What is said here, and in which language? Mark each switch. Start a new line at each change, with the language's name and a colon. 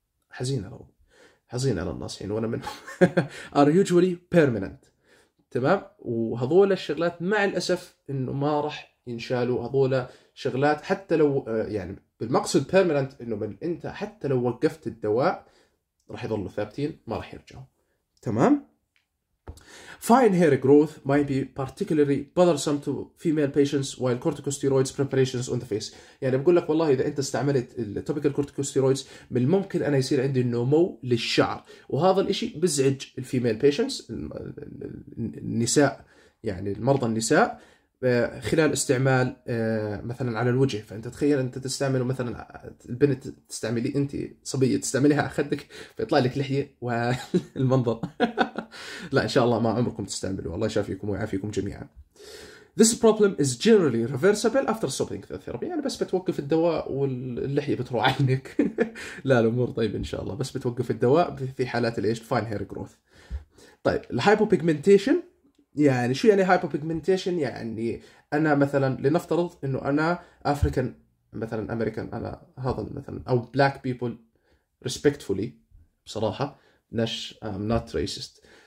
Arabic: حزين على الناصحين، وانا منهم.
English: are usually permanent،
Arabic: تمام، وهذول الشغلات مع الاسف انه ما راح ينشالوا، هذول شغلات حتى لو يعني بالمقصد permanent انه من انت حتى لو وقفت الدواء راح يظلوا ثابتين ما راح يرجعوا، تمام.
English: Fine hair growth might be particularly bothersome to female patients while corticosteroids preparations on the face.
Arabic: يعني بقول لك والله إذا أنت استعملت topical corticosteroids من الممكن أنا يصير عندي نمو للشعر، وهذا الإشي بزعج الفيميل patients النساء، يعني المرضى النساء خلال استعمال مثلا على الوجه. فأنت تخيل أنت تستعمله مثلا البنت تستعملي أنت صبية تستعمليها أخدك فيطلع لك لحية والمنظر. لا إن شاء الله ما عمركم تستعملوا، الله يشافيكم ويعافيكم جميعا.
English: This problem is generally reversible after stopping the therapy،
Arabic: يعني بس بتوقف الدواء واللحية بتروح عنك. لا الأمور طيب إن شاء الله، بس بتوقف الدواء في حالات الإيش
English: fine hair growth.
Arabic: طيب الhypopigmentation، يعني شو يعني hypopigmentation؟ يعني أنا مثلا لنفترض إنه أنا African مثلا American، أنا هذا مثلا أو
English: black people respectfully،
Arabic: بصراحة ناش
English: I'm not racist